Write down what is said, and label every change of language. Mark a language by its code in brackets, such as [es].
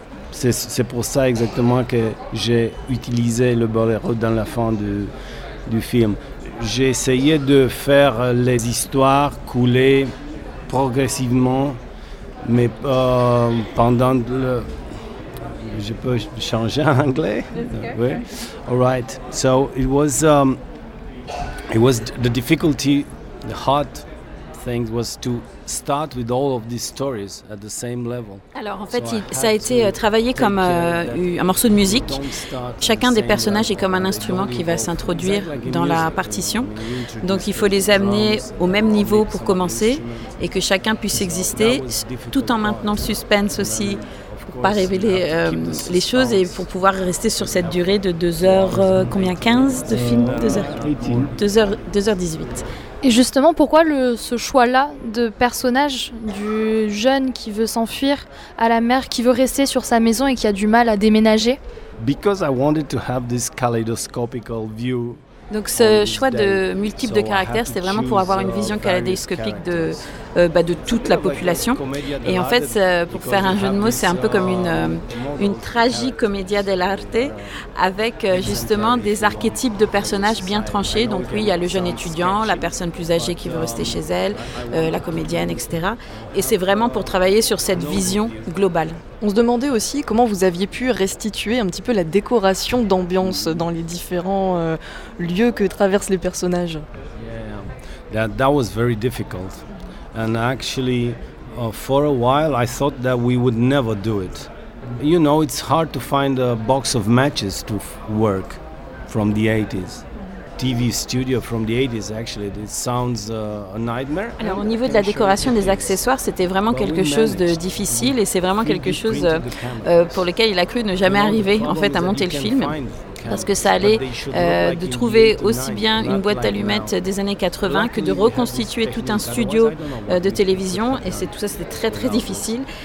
[fr] C'est pour ça exactement que j'ai utilisé le boléro dans la fin du film. J'ai essayé de faire les histoires couler progressivement, mais pendant le... Je peux changer en anglais? Oui. [en] All right. So it was the difficulty, the hard thing was to start with all of these stories at the same level. [fr] Alors en fait, ça a été travaillé comme un morceau de musique. Chacun des personnages est comme un instrument qui va s'introduire dans la partition. Donc il faut les amener au même niveau pour commencer et que chacun puisse exister tout en maintenant le suspense aussi pour pas révéler les choses et pour pouvoir rester sur cette durée de 2h combien 15 de film, 2h18. Et justement, pourquoi ce choix-là de personnage, du jeune qui veut s'enfuir à la mère, qui veut rester sur sa maison et qui a du mal à déménager? [en] Because I wanted to have this kaleidoscopical view. [fr] Donc ce choix de multiples de caractères, c'est vraiment pour avoir une vision kaléidoscopique de toute la population. Et en fait, pour faire un jeu de mots, c'est un peu comme une tragique comédia dell'arte avec justement des archétypes de personnages bien tranchés. Donc oui, il y a le jeune étudiant, la personne plus âgée qui veut rester chez elle, la comédienne, etc. Et c'est vraiment pour travailler sur cette vision globale. On se demandait aussi comment vous aviez pu restituer un petit peu la décoration d'ambiance dans les différents lieux que traversent les personnages. [en] Yeah, that was very difficult. And actually, for a while, I thought that we would never do it. You know, it's hard to find a box of matches to work from the 80s. TV studio from the 80s, actually, it sounds a nightmare. [fr] Alors, au niveau de la décoration des accessoires, c'était vraiment quelque chose de difficile et c'est vraiment quelque chose pour lequel il a cru ne jamais arriver, en fait, à monter le film. parce que ça allait de trouver aussi bien une boîte allumette des années 80 que de reconstituer tout un studio de télévision, et c'est tout ça, c'était très très difficile.